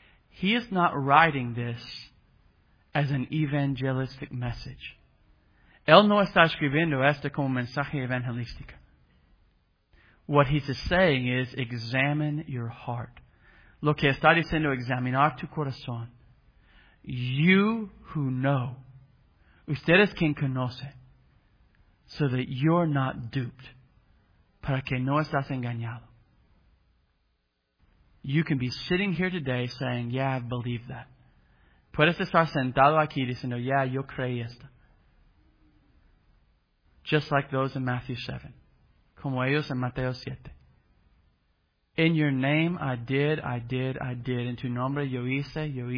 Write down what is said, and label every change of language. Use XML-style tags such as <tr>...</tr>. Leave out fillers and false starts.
<en>He is not writing this as an evangelistic message.</en> <es>Él no está escribiendo esto como mensaje evangelístico.</es> <en>What he's saying is, examine your heart.</en> <es>Lo que está diciendo, examinar tu corazón.</es> <en>You who know.</en> <es>Ustedes quien conoce.</es> <en>So that you're not duped.</en> <es>Para que no estás engañado.</es> <en>you can be sitting here today saying, yeah, I believe that.</en> <es>Puedes estar sentado aquí diciendo, yeah, yo creí esto.</es> <en>Just like those in Matthew 7.</en> <es>Como ellos en Mateo 7.</es> <en>In your name, I did.</en> <es>En tu nombre, yo hice.</es>